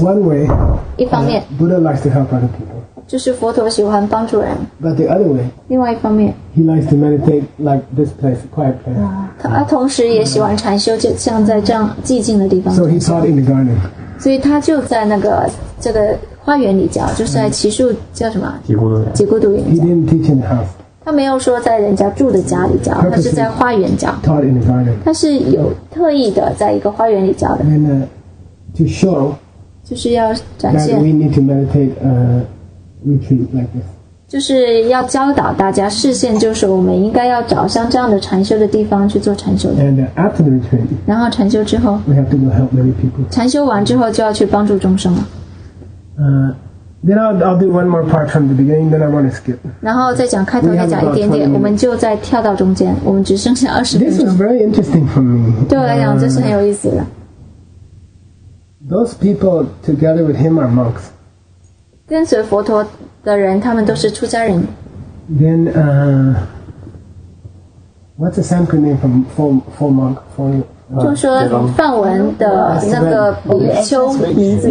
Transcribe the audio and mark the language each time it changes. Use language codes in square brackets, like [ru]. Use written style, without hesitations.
[en] So, one way, [zh] 一方面 [en] Buddha likes to help other people. [zh] 就是佛陀喜欢帮助人。 [en] But the other way, [zh] 另外一方面 [en] he likes to meditate like this place, quiet place. [zh] 他同时也喜欢禅修，就像在这样寂静的地方。 [en] So he taught in the garden. [zh] 所以他就在那个这个花园里教，就是在奇树叫什么？吉固德。吉固德园。 [en] He didn't teach in the house. [zh] 他没有说在人家住的家里教，他是在花园教。他是有特意的在一个花园里教的。 [en] And, to show [zh] 就是要展现。 [en] That we need to meditate a retreat like this. [zh] 就是要教导大家，视线就是我们应该要找像这样的禅修的地方去做禅修的。 [en] And, after the retreat, [zh] 然后禅修之后 [en] we have to go help many people. [zh] 禅修完之后就要去帮助众生了。 [en] Then I'll do one more part from the beginning. Then I want to skip. [zh] 然后再讲开头，再讲一点点，我们就再跳到中间。我们只剩下二十分钟。 [en] This was very interesting for me. [zh] 对我来讲，这是很有意思的。 [en] Those people together with him are monks. [zh] 跟随佛陀的人，他们都是出家人。 [en] Then, what's the Sanskrit name for full monk? For [zh] 就说梵文的那个比丘名字。